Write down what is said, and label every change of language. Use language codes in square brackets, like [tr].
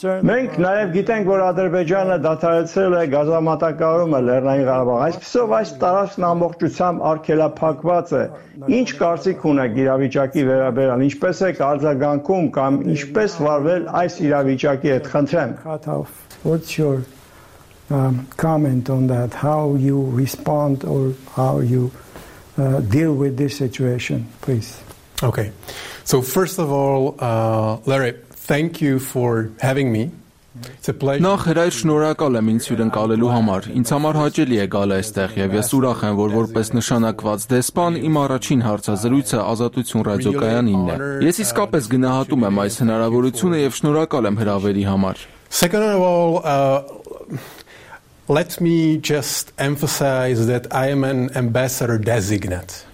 [hy] Մենք նաև գիտենք, որ Ադրբեջանը դադարեցրել է գազամատակարարումը Լեռնային Ղարաբաղ, այսպիսով այս տարածքն ամբողջությամբ արգելափակված է։ Ինչ կարծիք ունեք իրավիճակի վերաբերյալ, ինչպես եք արձագանքում կամ ինչպես վարվել այս իրավիճակի հետ, խնդրեմ։ [en] What's your comment on that? How you respond or how you deal with this situation, please? Okay. So first of all, Larry, thank you for having me. [hy] Նախ հրայր շնորհակալ եմ ինձ հյուրընկալելու համար։ Ինձ համար հաճելի է գալ այստեղ եւ ես ուրախ եմ, որ որպես նշանակված դեսպան իմ առաջին հարցազրույցը Ազատություն ռադիոկայանինն է։ Ես իսկապես գնահատում եմ այս հնարավորությունը եւ շնորհակալ եմ հրավերի համար։ [en] Second of all, let me just emphasize that I am an ambassador designate.